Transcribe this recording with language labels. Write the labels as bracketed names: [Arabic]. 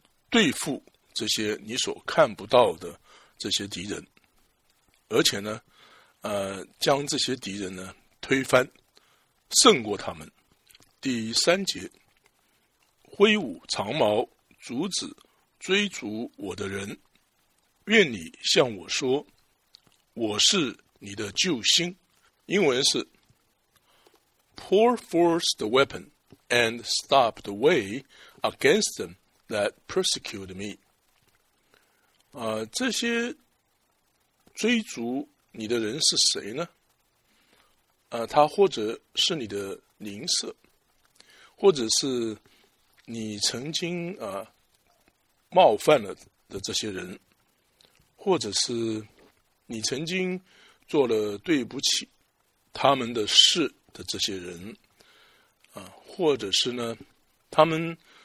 [Chinese] 对付这些你所看不到的这些敌人，而且呢将这些敌人呢推翻，胜过他们。第三节，挥舞长矛阻止追逐我的人，愿你向我说，我是你的救星。 [English] 英文是 Pour forth the weapon and stop the way against them that persecute me。 [Chinese] 这些追逐你的人是谁呢？他或者是你的邻舍，或者是你曾经冒犯了的这些人，或者是你曾经做了对不起他们的事的这些人或者是呢他们